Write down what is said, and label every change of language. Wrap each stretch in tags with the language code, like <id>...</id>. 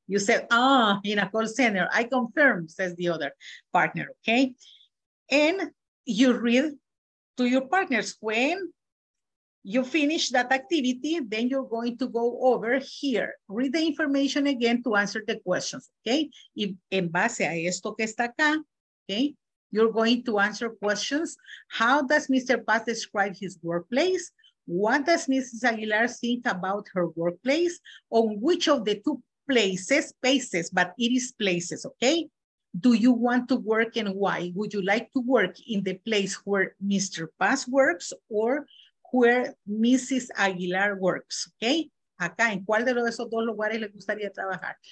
<en>You said, ah, in a call center, I confirm, says the other partner, okay? And you read to your partners. When you finish that activity, then you're going to go over here. Read the information again to answer the questions, okay?</en> <es>Y en base a esto que está acá, okay?</es> <en>You're going to answer questions. How does Mr. Paz describe his workplace? What does Mrs. Aguilar think about her workplace? On which of the two places, spaces, but it is places, okay? Do you want to work and why? Would you like to work in the place where Mr. Paz works or where Mrs. Aguilar works, okay?</en> <es>Acá, ¿en cuál de esos dos lugares le gustaría trabajar?</es>